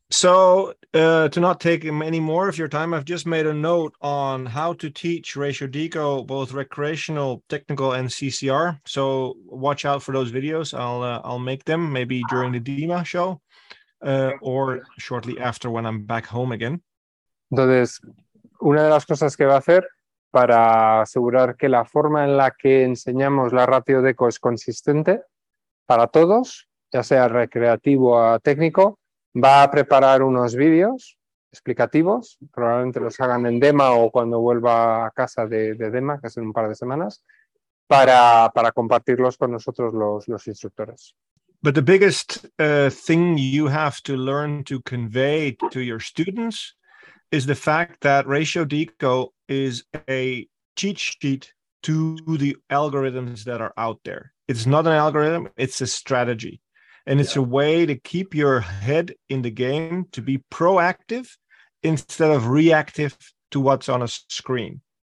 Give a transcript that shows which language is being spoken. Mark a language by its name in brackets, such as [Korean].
[English] So to not take any more of your time, I've just made a note on how to teach RatioDeco both recreational, technical, and CCR. So watch out for those videos. I'll make them maybe during the DEMA show or shortly after when I'm back home again. [Spanish] Entonces, una de las cosas que va a hacer para asegurar que la forma en la que enseñamos la ratio deco es consistente para todos, ya sea recreativo o técnico, va a preparar unos vídeos explicativos, probablemente los hagan en DEMA o cuando vuelva a casa de DEMA, que es en un par de semanas, para compartirlos con nosotros los instructores. [English] But the biggest thing you have to learn to convey to your students is the fact that RatioDeco is a cheat sheet to the algorithms that are out there. It's not an algorithm, it's a strategy. And it's a way to keep your head in the game, to be proactive instead of reactive to what's on a screen.